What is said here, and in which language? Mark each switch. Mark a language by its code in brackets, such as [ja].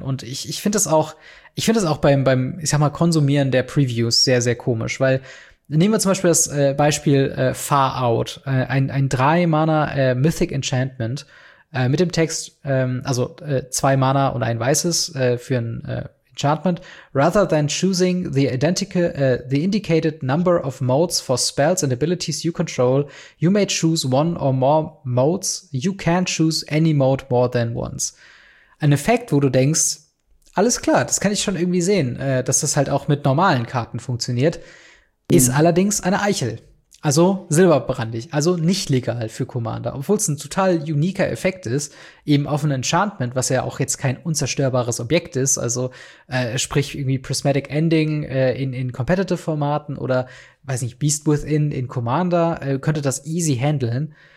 [de] Und ich finde das auch beim ich sag mal Konsumieren der Previews sehr, sehr komisch, weil nehmen wir zum Beispiel das Beispiel Far Out, ein 3-Mana Mythic Enchantment mit dem Text, also 2 Mana und ein weißes für ein Enchantment. [en] Rather than choosing the indicated number of modes for spells and abilities you control, you may choose one or more modes. You can't choose any mode more than once. [de] Ein Effekt, wo du denkst, alles klar, das kann ich schon irgendwie sehen, dass das halt auch mit normalen Karten funktioniert, ist allerdings eine Eichel. Also silberbrandig, also nicht legal für Commander. Obwohl es ein total uniker Effekt ist, eben auf ein Enchantment, was ja auch jetzt kein unzerstörbares Objekt ist, also sprich irgendwie Prismatic Ending in Competitive-Formaten oder, weiß nicht, Beast Within in Commander, könnte das easy handeln.